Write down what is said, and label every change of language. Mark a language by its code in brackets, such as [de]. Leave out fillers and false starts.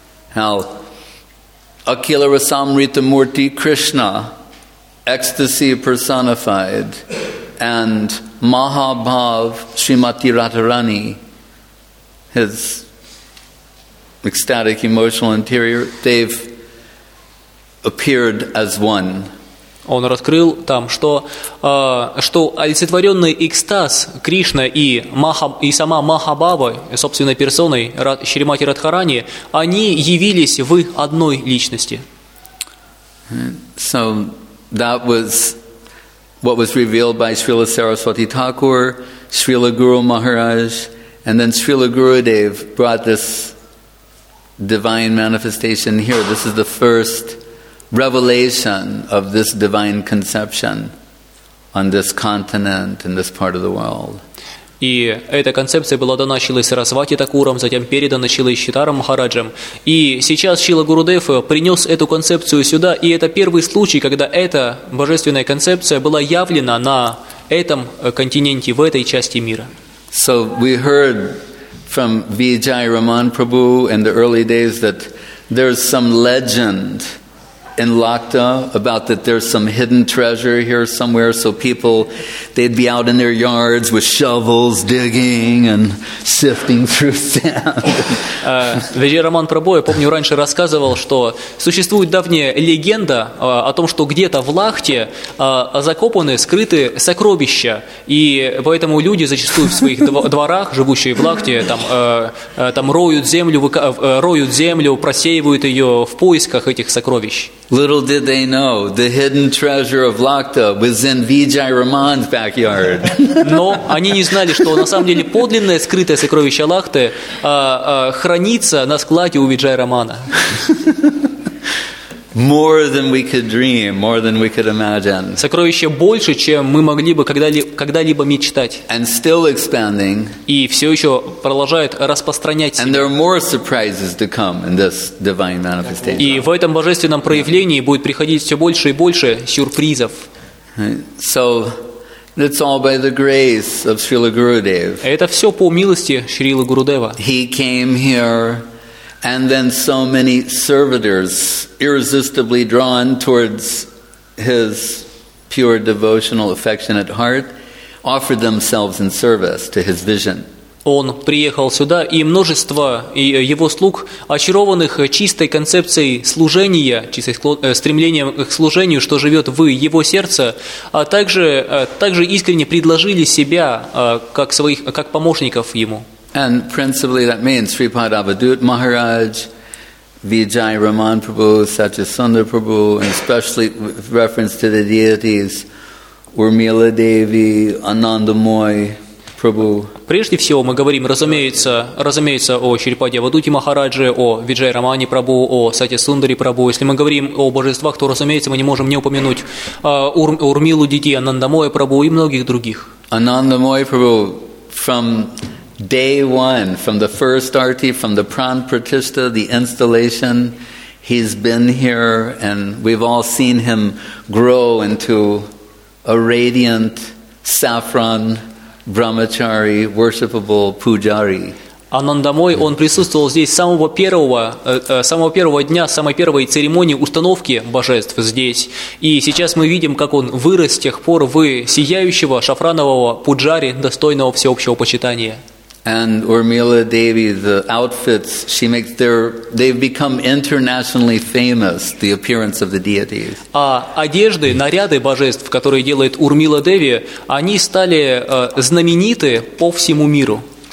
[en] How Akila Rasamrita Murti Krishna, ecstasy personified, and Mahabhav Srimati Radharani, his ecstatic emotional interior, they've appeared as one. [ru] Он раскрыл там, что что олицетворенный экстаз Кришна и сама Махабхава, собственной персоной Шримати Радхарани, они явились в одной личности. [en] So that was what was revealed by Srila Saraswati Thakur, Srila Guru Maharaj, and then Srila Gurudev brought this divine manifestation here. This is the first revelation of this divine conception on this continent in this part of the world. [ru] И эта концепция была дана Шрилой Сарасвати Такуром, затем передана Шрилой Ситаром Махараджем. И сейчас Шрила Гурудев принес эту концепцию сюда, и это первый случай, когда эта божественная концепция была явлена на этом континенте, в этой части мира. [en] So we heard from Vijay Raman Prabhu in the early days that there's some legend in Lakta about that there's some hidden treasure here somewhere, so people, they'd be out in their yards with shovels digging and sifting through sand. [ru] Vijay Raman Prabhu, я помню, раньше рассказывал, что существует давняя легенда о том, что где-то в Лахте закопаны, скрыты сокровища, и поэтому люди зачастую в своих дворах, живущие в Лахте, там роют землю, просеивают ее в поисках этих сокровищ. [en] Little did they know, the hidden treasure of Lakta was in Vijay Raman's backyard. [ru] Но они не знали, что на самом деле подлинное скрытое сокровище Лахты хранится на складе у Виджая Рамана. [en] More than we could dream, more than we could imagine. [ru] Сокровище больше, чем мы могли бы когда-либо мечтать. [en] And still expanding. [ru] И все еще продолжает распространять себя. [en] And there are more surprises to come in this divine manifestation. [ru] И в этом божественном проявлении будет приходить все больше и больше сюрпризов. [en] So it's all by the grace of Srila Gurudev. [ru] Это все по милости Шрилы Гурудева. [en] He came here. And then so many servitors irresistibly drawn towards his pure devotional affectionate heart offered themselves in service to his vision. [ru] Он приехал сюда, и множество его слуг, очарованных чистой концепцией служения, чистой стремлением к служению, что живет в его сердце, а также искренне предложили себя как помощников ему. [en] And principally that means Sripad Avadhut Maharaj, Vijay Raman Prabhu, Satchasundar Prabhu, and especially with reference to the deities, Urmila Devi, Anandamoy Prabhu. [ru] Прежде всего мы говорим, разумеется, о Шрипаде Авадхуте Махарадже, о Виджай Рамане Прабху, о Сатьясундаре Прабху. Если мы говорим о божествах, то, разумеется, мы не можем не упомянуть Урмилу Диди, Анандамоя Прабху и многих других. [en] Анандамоя Прабху from day one, from the first arti, from the pran pratishta, the installation, he's been here, and we've all seen him grow into a radiant saffron brahmachari, worshipable pujari. [ru] Анандамой, он присутствовал здесь с самого первого дня, самой первой церемонии установки божеств здесь. И сейчас мы видим, как он вырос с тех пор в сияющего шафранового пуджари, достойного всеобщего почитания. [en] And Urmila Devi, the outfits she makes, they've become internationally famous, the appearance of the deities. [ru] А одежды, наряды божеств, которые делает Урмила Деви, они стали знамениты по всему миру.